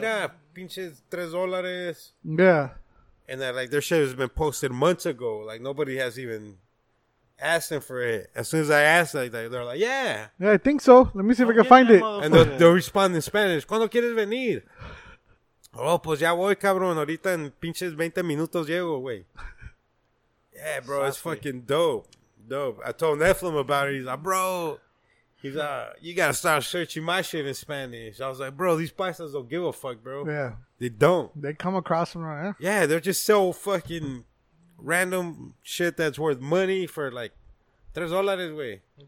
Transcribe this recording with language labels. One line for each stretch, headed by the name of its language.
Spanish: Mira, pinches $3.
English: Yeah. And that, like, their shit has been posted months ago. Like, nobody has even... asking for it. As soon as I ask, like, they're like, yeah. Yeah, I think so. Let me see if I can find it. And they'll respond in Spanish.
Spanish: ¿Cuándo quieres venir? Oh, pues ya voy, cabrón. Ahorita en pinches 20 minutos llego, güey.
English: Yeah, bro. Sassy. It's fucking dope. Dope. I told Nephilim about it. He's like, bro. He's like, you got to start searching my shit in Spanish. I was like, bro, these paisas don't give a fuck, bro. Yeah. They don't. They come across them, right? Yeah, they're just so fucking... random shit that's worth money for like $3 way.